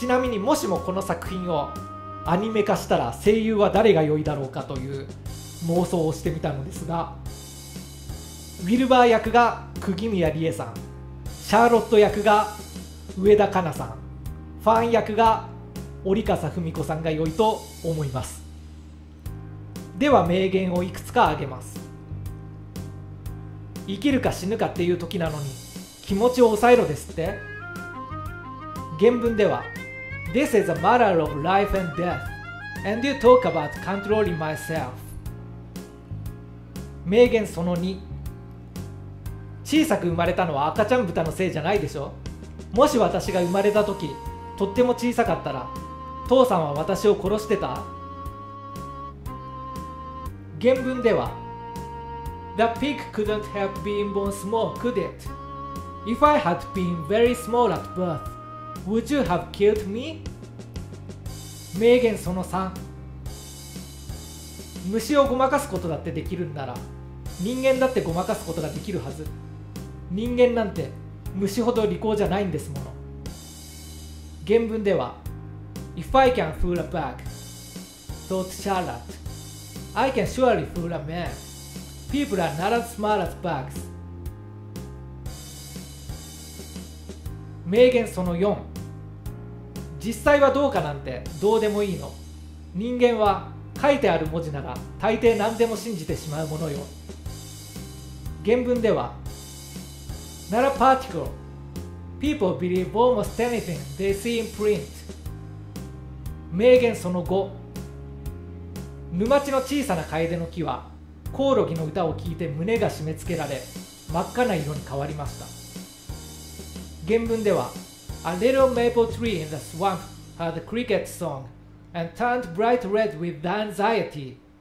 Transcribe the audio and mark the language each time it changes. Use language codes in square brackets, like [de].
[ja] ちなみにもしもこの作品をアニメ化したら声優は誰が良いだろうかという妄想をしてみたのですが、ウィルバー役が釘宮理恵さん、シャーロット役が上田香奈さん、ファン役が織笠文子さんが良いと思います。では名言をいくつか挙げます。生きるか死ぬかっていう時なのに気持ちを抑えろですって。原文では [en] This is a matter of life and death and you talk about controlling myself。 [ja] 名言その2、小さく生まれたのは赤ちゃん豚のせいじゃないでしょ。もし私が生まれた時とっても小さかったら、父さんは私を殺してた。原文では [en] The pig couldn't have been born small, could it? If I had been very small at birth, would you have killed me? [ja] 名言その3、虫をごまかすことだってできるんなら人間だってごまかすことができるはず。人間なんて虫ほど利口じゃないんですもの。原文では [en] If I can fool a bug, thought Charlotte, I can surely fool a man. People are not as smart as bugs. [ja] 名言その4、実際はどうかなんてどうでもいいの。人間は書いてある文字なら大抵何でも信じてしまうものよ。原文では [en] Not a particle. People believe almost anything they see in print. [ja] 名言その5、沼地の小さな楓の木はコオロギの歌を聞いて胸が締め付けられ真っ赤な色に変わりました。原文では [en] A little maple tree in the swamp heard a cricket song and turned bright red with anxiety。